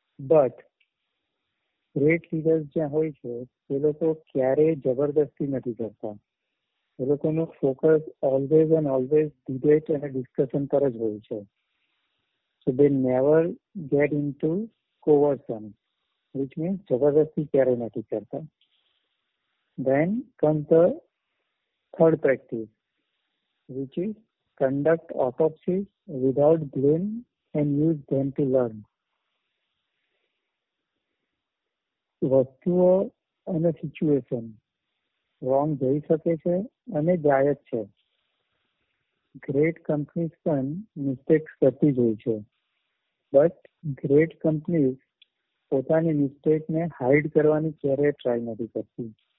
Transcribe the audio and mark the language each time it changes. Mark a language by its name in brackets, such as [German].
[Gujarati] But great leaders જ્યાં હોય છે એ લોકો ક્યારેય જબરદસ્તી નથી કરતા. એ લોકોનો focus always and always debate અને ડિસ્કશન પર જ હોય છે. [English] So they never get into coercion, which means [Gujarati] જબરદસ્તી ક્યારે નથી કરતા. [English] Then comes the third practice, which is conduct autopsies without blame and use them to learn. [Gujarati] વસ્તુઓ અને સિચ્યુએશન રોંગ જઈ શકે છે અને જાય જ છે. ગ્રેટ કંપનીઝ પણ મિસ્ટેક્સ કરતી જ હોય છે, બટ ગ્રેટ કંપનીઝ પોતાની મિસ્ટેકને હાઈડ કરવાની ક્યારેય ટ્રાય નથી કરતી.